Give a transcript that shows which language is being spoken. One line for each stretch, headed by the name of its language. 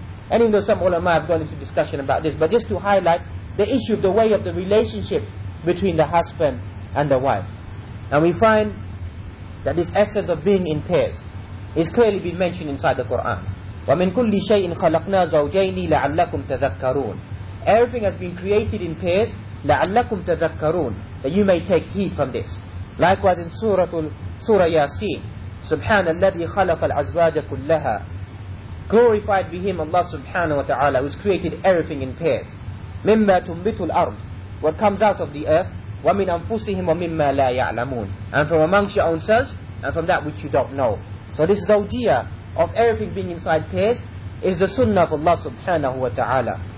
English: And even though some ulama have gone into discussion about this, but just to highlight the issue of the way of the relationship between the husband and the wife. And we find that this essence of being in pairs is clearly been mentioned inside the Quran.
Arabic: وَمِن كُلِّ شَيْءٍ خَلَقْنَا زَوْجَيْنِ لَعَلَّكُمْ تَذَكَّرُونَ.
English: Everything has been created in pairs,
Arabic: لَعَلَّكُمْ تَذَكَّرُونَ,
English: that you may take heed from this. Likewise in Surah Yasin,
Arabic: سُبْحَانَ الَّذِي خَلَقَ الْأَزْوَاجَ كُلَّهَا.
English: Glorified be Him, Allah subhanahu wa ta'ala, who has created everything in pairs.
Arabic: مِمَّا تُنْبِتُ الْأَرْضِ,
English: what comes out of the earth.
Arabic: وَمِنْ أَنفُسِهِمْ وَمِمَّا لَا يَعْلَمُونَ,
English: and from amongst your own selves, and from that which you don't know. So this zawjiyah of everything being inside pairs is the sunnah of Allah subhanahu wa ta'ala.